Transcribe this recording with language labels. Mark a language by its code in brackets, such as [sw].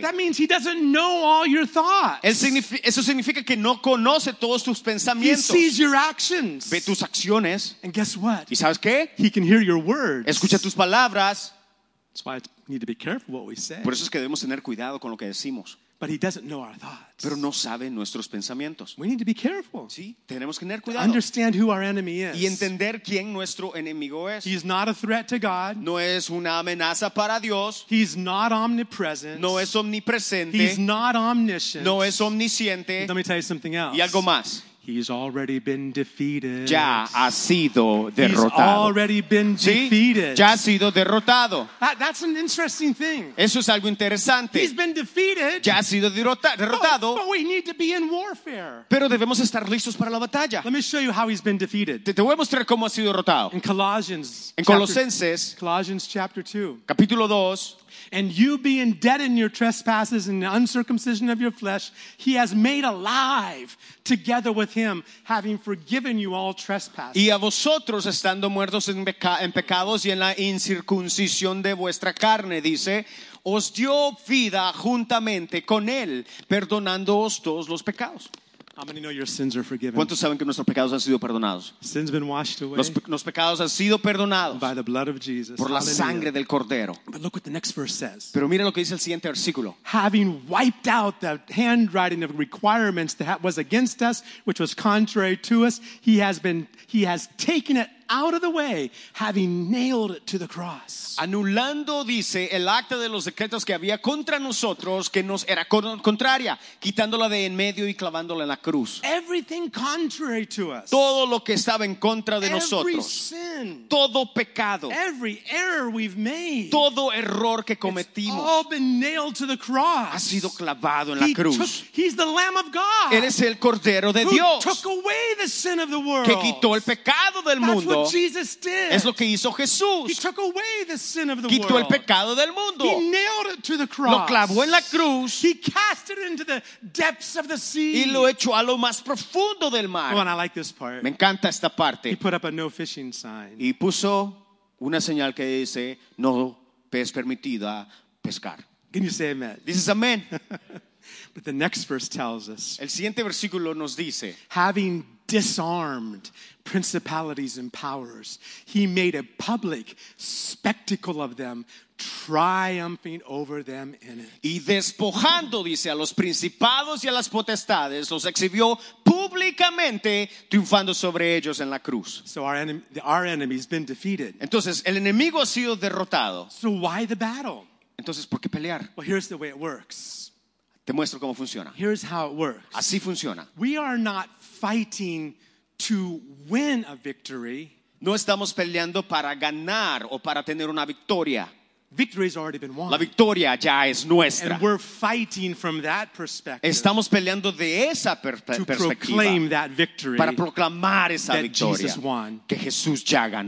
[en] That means he doesn't know all your thoughts. [es] Eso significa que no conoce todos tus pensamientos. [en] He sees your actions. [es] Ve tus acciones. [en] And guess what? [es] ¿Y sabes qué? [en] He can hear your words. [es] Escucha tus palabras. [en] That's why we need to be careful what we say. [es] Por eso es que debemos tener cuidado con lo que decimos. [en] But he doesn't know our thoughts. [es] Pero no sabe nuestros pensamientos. [en] We need to be careful. [es] Sí, tenemos que tener cuidado. [en] Understand who our enemy is. [es] Y entender quién nuestro enemigo es. [en] He's not a threat to God. [es] No es una amenaza para Dios. [en] He's not omnipresent. [es] No es omnipresente. [en] He's not omniscient. [es] No es omnisciente. [en] Let me tell you something else. [es] Y algo más. [en] He's already been defeated. [es] Ya ha sido derrotado. [en] He's already been defeated. [es] ¿Sí? Ya ha sido derrotado. [en] That's an interesting thing. [es] Eso es algo interesante. [en] He's been defeated. [es] Ya ha sido derrotado. [en] But we need to be in warfare. [es] Pero debemos estar listos para la batalla. [en] Let me show you how he's been defeated. [es] Te voy a mostrar cómo ha sido derrotado. [en] In Colossians. [es] En Colosenses. [en] Colossians chapter 2. [es] Capítulo 2. [en] And you being dead in your trespasses and the uncircumcision of your flesh, he has made alive together with him, having forgiven you all trespasses. [es] Y a vosotros estando muertos en pecados y en la incircuncisión de vuestra carne, dice, os dio vida juntamente con él, perdonándoos todos los pecados. [en] How many know your sins are forgiven? [es] ¿Cuántos saben que nuestros pecados han sido perdonados? [en] Sin's been washed away. [es] Los pecados han sido perdonados. [en] By the blood of Jesus. [es] Por la sangre del Cordero. [en] But look what the next verse says. [es] Pero mira lo que dice el siguiente versículo. [en] Having wiped out the handwriting of requirements that was against us, which was contrary to us, he has taken it out of the way, having nailed it to the cross. [es] Anulando, dice, el acta de los decretos que había contra nosotros, que nos era contraria, quitándola de en medio y clavándola en la cruz. [en] Everything contrary to us. [es] Todo lo que estaba en contra de [en] Every [es] nosotros. [en] Every sin. [es] Todo pecado. [en] Every error we've made. [es] Todo error que cometimos. [en] It's all been nailed to the cross. [es] Ha sido clavado en la cruz. [en] He's the Lamb of God. [es] Él es el Cordero de Dios. [en] Who took away the sin of the world. [es] Que quitó el pecado del mundo. [en] What Jesus did. [es] Es lo que hizo Jesús. [en] He took away the sin of the [es] Quitó [en] world. [es] El pecado del mundo. [en] He nailed it to the cross. [es] Lo clavó en la cruz. [en] He cast it into the depths of the sea. [es] Y lo echó a lo más profundo del mar. [en] Well, and I like this part. [es] Me encanta esta parte. [en] He put up a no fishing sign. [es] Y puso una señal que dice no es permitida pescar. [en] Can you say amen? [es] Dices amén. [en] But the next verse tells us. [es] El siguiente versículo nos dice. [en] Having disarmed principalities and powers, he made a public spectacle of them, triumphing over them in it. [es] Y despojando, dice, a los principados y a las potestades, los exhibió públicamente, triunfando sobre ellos en la cruz. [en] So our enemy has been defeated. [es] Entonces, el enemigo ha sido derrotado. [en] So why the battle? [es] Entonces, ¿por qué pelear? [en] Well, here's the way it works. [es] Te muestro cómo funciona. [en] Here's how it works. [es] Así funciona. [en] We are not fighting to win a victory. [es] No estamos peleando para ganar o para tener una victoria. [en] Victory has already been won. [es] La victoria ya es nuestra. [en] And we're fighting from that perspective. [es] Estamos peleando de esa perspectiva. [en] To proclaim that victory. [es] Para proclamar esa [en] that [es] victoria. [en] Jesus won. [es] Que Jesús ya ganó.